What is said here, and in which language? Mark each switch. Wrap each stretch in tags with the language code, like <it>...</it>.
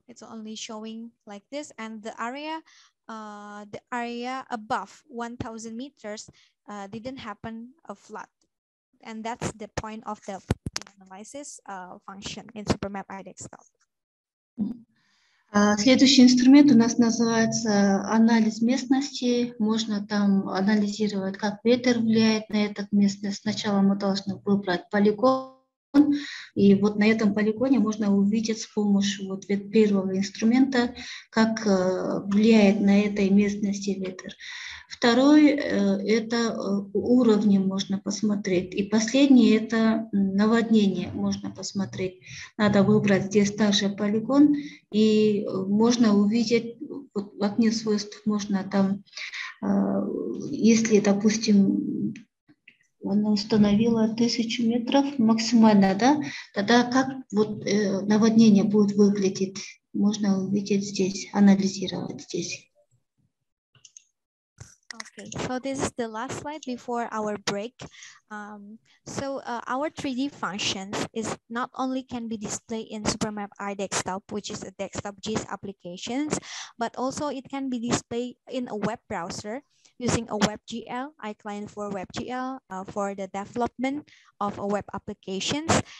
<en>It's only showing like this, and the area above 1,000 meters didn't happen a flood, and that's the point of the analysis function in SuperMap IDXL.</en> <ru>Следующий инструмент у нас называется анализ местности. Можно там анализировать, как ветер влияет на эту местность. Сначала мы должны выбрать полигон. И вот на этом полигоне можно увидеть с помощью вот первого инструмента, как влияет на этой местности ветер. Второй – это уровни можно посмотреть. И последний – это наводнение можно посмотреть. Надо выбрать здесь также полигон, и можно увидеть вот, в окне свойств, можно там, если, допустим, она установила 1000 метров максимально, да, тогда как вот наводнение будет выглядеть, можно увидеть здесь, анализировать здесь.</ru> <en>Okay, so this is the last slide before our break. Our 3D functions is not only can be displayed in SuperMap iDesktop, which is a desktop GIS applications, but also it can be displayed in a web browser using a WebGL, iClient for WebGL, for the development of a web applications.</en>